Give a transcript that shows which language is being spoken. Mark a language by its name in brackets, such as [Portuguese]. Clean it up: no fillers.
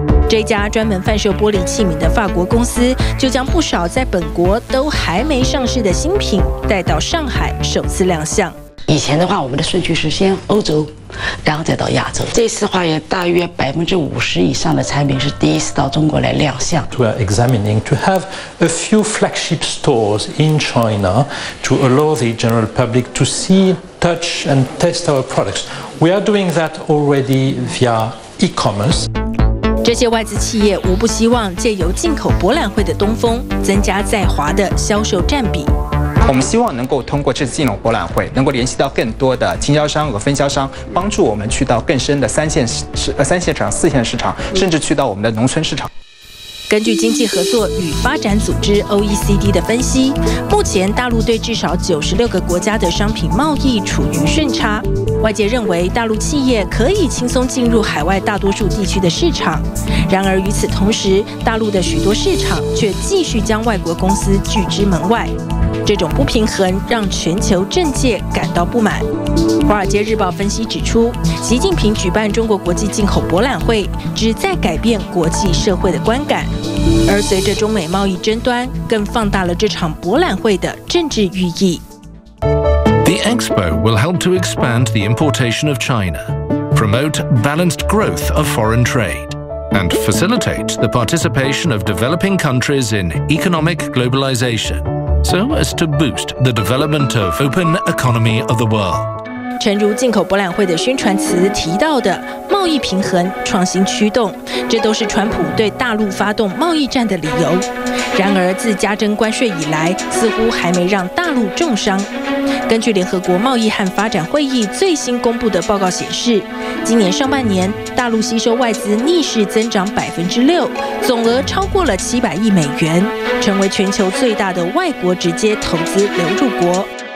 [Chinese] 这家专门贩售玻璃器皿的法国公司就将不少在本国都还没上市的新品带到上海首次亮相。以前的话，我们的顺序是先欧洲，然后再到亚洲。这次的话，有大约50%以上的产品是第一次到中国来亮相。 [English] We are examining to have a few flagship stores in China to allow the general public to see, touch and test our products. We are doing that already via e-commerce. [Chinese] 这些外资企业无不希望借由进口博览会的东风，增加在华的销售占比。我们希望能够通过这次进口博览会，能够联系到更多的经销商和分销商，帮助我们去到更深的三线市场、四线市场，甚至去到我们的农村市场。根据经济合作与发展组织 OECD 的分析，目前大陆对至少96个国家的商品贸易处于顺差。外界认为大陆企业可以轻松进入海外大多数地区的市场，然而与此同时，大陆的许多市场却继续将外国公司拒之门外。这种不平衡让全球政界感到不满。华尔街日报分析指出，习近平举办中国国际进口博览会旨在改变国际社会的观感，而随着中美贸易争端，更放大了这场博览会的政治寓意。 [English] The Expo will help to expand the importation of China, promote balanced growth of foreign trade, and facilitate the participation of developing countries in economic globalization, so as to boost the development of open economy of the world. [Chinese] 诚如进口博览会的宣传词提到的，贸易平衡、创新驱动，这都是川普对大陆发动贸易战的理由。然而自加征关税以来，似乎还没让大陆重伤。根据联合国贸易和发展会议最新公布的报告显示，今年上半年大陆吸收外资逆势增长6%，总额超过了700亿美元，成为全球最大的外国直接投资流入国。